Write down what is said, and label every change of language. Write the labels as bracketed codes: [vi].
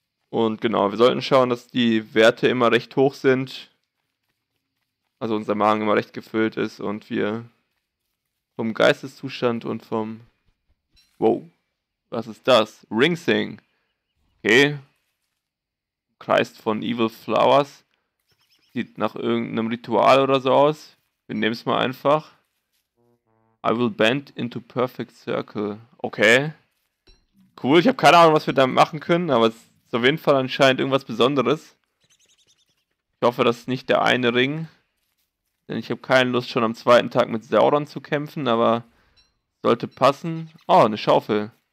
[de] Und genau, wir sollten schauen, dass die Werte immer recht hoch sind, also unser Magen immer recht gefüllt ist und wir vom Geisteszustand und vom... Wow. Was ist das? Ringsing. Okay. Kreis von Evil Flowers. Sieht nach irgendeinem Ritual oder so aus. Wir nehmen es mal einfach. [en] I will bend into perfect circle. Okay. [de] Cool. Ich habe keine Ahnung, was wir damit machen können, aber es ist auf jeden Fall anscheinend irgendwas Besonderes. Ich hoffe, das ist nicht der eine Ring. Denn ich habe keine Lust, schon am zweiten Tag mit Sauron zu kämpfen, aber sollte passen. Oh, eine Schaufel.